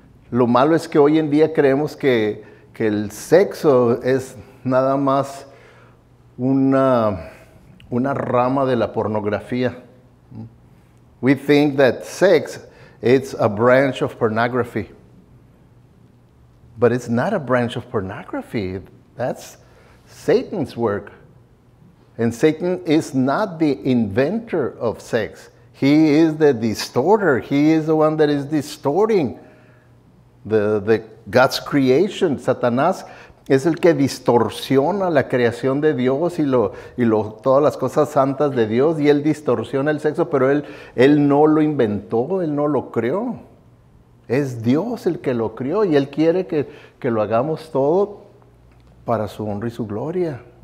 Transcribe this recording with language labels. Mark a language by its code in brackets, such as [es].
[es] Lo malo es que hoy en día creemos que el sexo es nada más una rama de la pornografía. [en] We think that sex, it's a branch of pornography. But it's not a branch of pornography. That's Satan's work. And Satan is not the inventor of sex. He is the distorter. He is the one that is distorting the God's creation. [es] Satanás es el que distorsiona la creación de Dios y todas las cosas santas de Dios, y él distorsiona el sexo, pero él no lo inventó, él no lo creó. Es Dios el que lo creó, y él quiere que lo hagamos todo para su honra y su gloria.